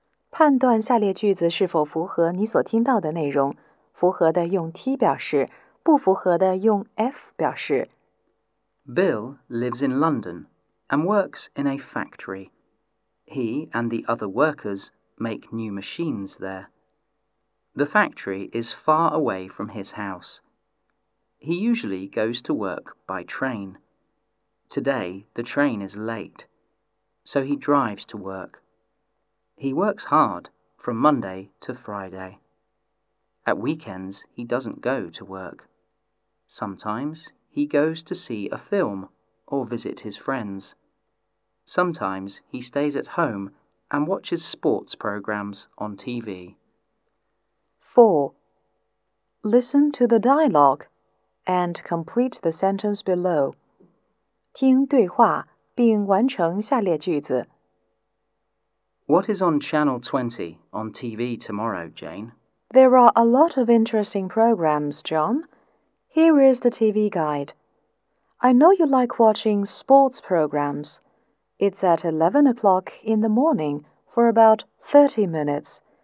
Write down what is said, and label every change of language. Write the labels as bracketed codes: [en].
[zh] 判断下列句子是否符合你所听到的内容。符合的用 T 表示。不符合的用 F 表示。 [en] Bill lives in London and works in a factory. He and the other workers make new machines there. The factory is far away from his house. He usually goes to work by train. Today, the train is late, so he drives to work. He works hard from Monday to Friday. At weekends, he doesn't go to work. Sometimes he goes to see a film or visit his friends. Sometimes he stays at home and watches sports programs on TV. 4. Listen to the dialogue and complete the sentence below. [zh] 听对话并完成下列句子。 [en] What is on Channel 20 on TV tomorrow, Jane? There are a lot of interesting programs, John. Here is the TV guide. I know you like watching sports programs. It's at 11 o'clock in the morning for about 30 minutes.